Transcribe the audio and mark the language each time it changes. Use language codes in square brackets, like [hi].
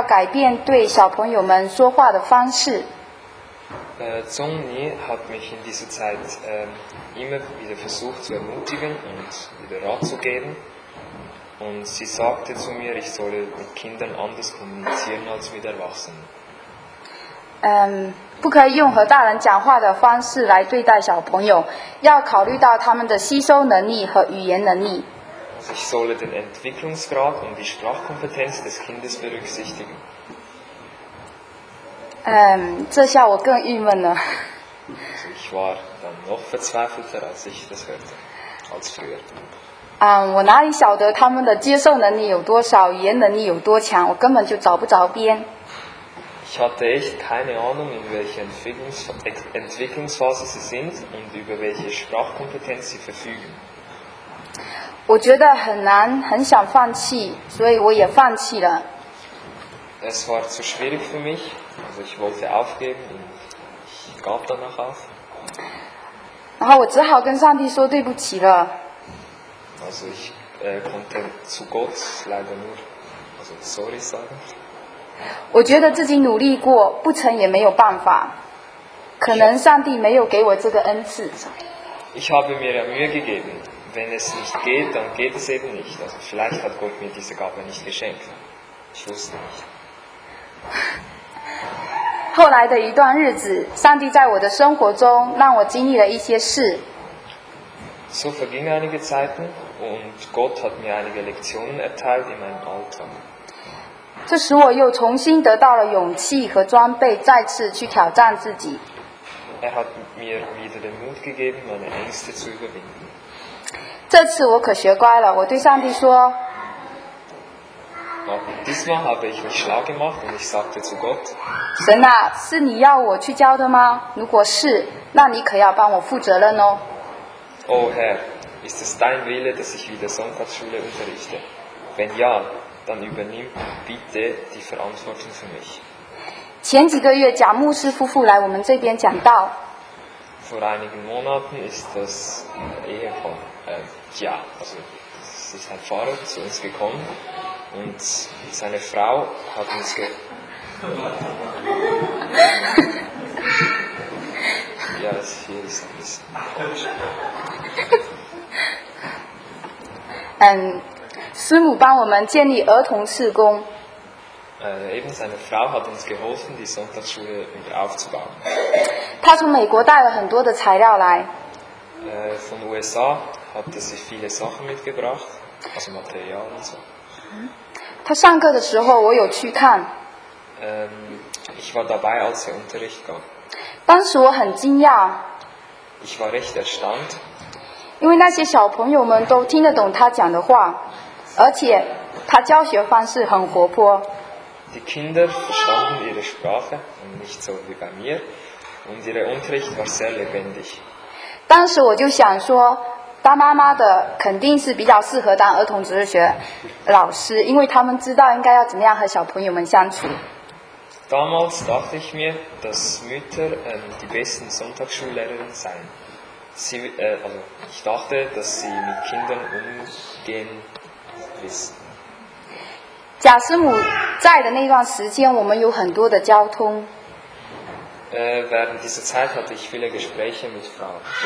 [zh] 钟离姐妹在此期间一直鼓励我要坚持下去，而且应该要改变对小朋友们说话的方式。 [de] Zungli hat mich in dieser Zeit immer wieder versucht zu ermutigen und wieder Rat zu geben. Und sie sagte zu mir, ich solle mit Kindern anders kommunizieren als mit Erwachsenen. Ich solle den Entwicklungsgrad und die Sprachkompetenz des Kindes berücksichtigen. [zh] 这下我更郁闷了。我哪里晓得他们的接受能力有多少，语言能力有多强，我根本就找不着边。 [de] Ich hatte echt keine Ahnung, in welcher Entwicklungsphase sie sind und über welche Sprachkompetenz sie verfügen. [zh] 我觉得很难，很想放弃，所以我也放弃了。 [de] Es war zu schwierig für mich, also ich wollte aufgeben, ich gab danach auf. [zh] 然后我只好跟上帝说对不起了。 [de] Also ich konnte zu Gott leider nur, also sorry sagen. [zh] 我觉得自己努力过，不成也没有办法。可能上帝没有给我这个恩赐。 [de] Ich habe mir ja Mühe gegeben. Wenn es nicht geht, dann geht es eben nicht. Also vielleicht hat Gott mir diese Gabe nicht geschenkt. Ich wusste nicht. [zh] 后来的一段日子，上帝在我的生活中让我经历了一些事。 [de] So verging einige Zeiten und Gott hat mir einige Lektionen erteilt in meinem Alltag. [zh] 这使我又重新得到了勇气和装备，再次去挑战自己。 [de] Er hat mir wieder den Mut gegeben, meine Ängste zu überwinden. [zh] 这次我可学乖了，我对上帝说。 [de] Diesmal habe ich mich schlau gemacht und ich sagte zu Gott. [zh] 神啊，是你要我去教的吗？如果是，那你可要帮我负责任哦。 [de] Oh Herr, ist es dein Wille, dass ich wieder Sonntagsschule unterrichte? Wenn ja, dann übernimm bitte die Verantwortung für mich. [zh] 前几个月，贾牧师夫妇来我们这边讲道。 [de] Vor einigen Monaten ist das Ehepaar, ja, also es ist ein Pfarrer zu uns gekommen und seine Frau hat uns ge. Ja, es hier ist ein bisschen. [zh] 师母帮我们建立儿童事工。 [de] Eben seine Frau hat uns geholfen, die Sonntagsschule wieder aufzubauen. [zh] 他从美国带了很多的材料来。 [de] Von USA hatte sie viele Sachen mitgebracht, also Material und so. [zh] 他上课的时候我有去看。 [de] Ich war dabei, als er Unterricht gab. [zh] 当时我很惊讶。 [de] Ich war recht erstaunt. [zh] 因为那些小朋友们都听得懂他讲的话，而且他教学方式很活泼。 [de] Die Kinder verstanden ihre Sprache, nicht so wie bei mir, und ihr Unterricht war sehr lebendig. [zh] 当时我就想说，当妈妈的肯定是比较适合当儿童主日学老师，因为他们知道应该要怎么样和小朋友们相处。 [de] Damals dachte ich mir, dass Mütter die besten Sonntagsschullehrerin seien. Ich dachte, dass sie mit Kindern umgehen wissen. [zh] 贾师母在的那段时间，我们有很多的交通。 [de] Während dieser Zeit hatte ich viele Gespräche mit Frau.